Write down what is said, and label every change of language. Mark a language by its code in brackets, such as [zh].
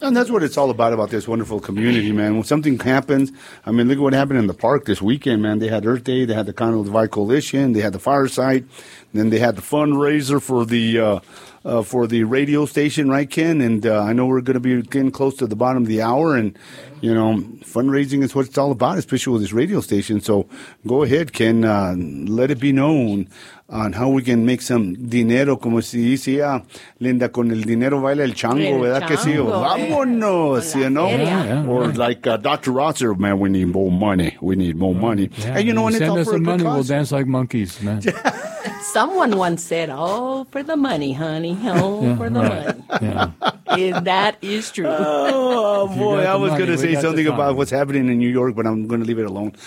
[en] And that's what it's all about this wonderful community, man. When something happens, I mean, look at what happened in the park this weekend, man. They had Earth Day, they had the Continental Divide Coalition, they had the Fireside, then they had the fundraiser for the radio station, right, Ken? And I know we're going to be getting close to the bottom of the hour, and, fundraising is what it's all about, especially with this radio station. So go ahead, Ken, let it be known on how we can make some [es] dinero, como si decía Linda, con el dinero baila el chango, ¿verdad que sí? Vámonos, [en] Or like Dr. Rosser, man, we need more money. We need more money. Yeah, and you know, when it's all for the money, we'll dance like monkeys, man. Someone once said, oh, for the money, honey. Oh, for the money. Yeah. That is true. Oh boy, I was going to say something about what's happening in New York, but I'm going to leave it alone.